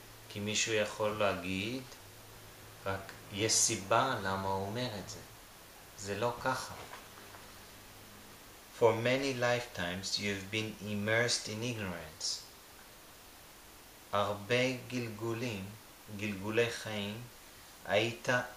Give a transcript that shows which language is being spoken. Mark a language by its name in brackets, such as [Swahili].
[Hebrew] כי מישהו יכול להגיד, רק יש סיבה למה הוא אומר את זה. זה לא ככה. [English] For many lifetimes you've been immersed in ignorance. [Hebrew] הרבה גלגולים, גלגולי חיים, היית